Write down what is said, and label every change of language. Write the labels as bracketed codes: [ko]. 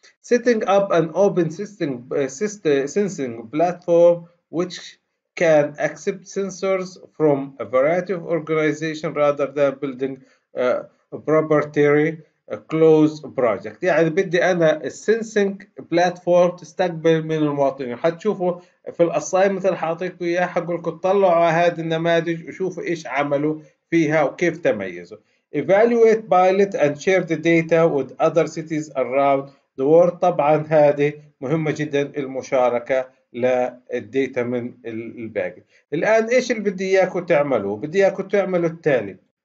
[en] Setting up an open sensing platform which can accept sensors from a variety of organizations rather than building a proprietary closed project. [ar] يعني بدي أنا السنسنج بلاتفورم تستقبل من المواطنين. حتشوفوا في الأسايمنت اللي حاعطيكم إياها، حقولكم تطلعوا على هذه النماذج وشوفوا إيش عملوا فيها وكيف تميزوا. [en] Evaluate pilot and share the data with other cities around the world. [ar] طبعا هذه مهمة جدا، المشاركة للديتا من الباقي. الآن إيش اللي بدي إياكم تعملوا؟ بدي إياكم تعملوا التالي.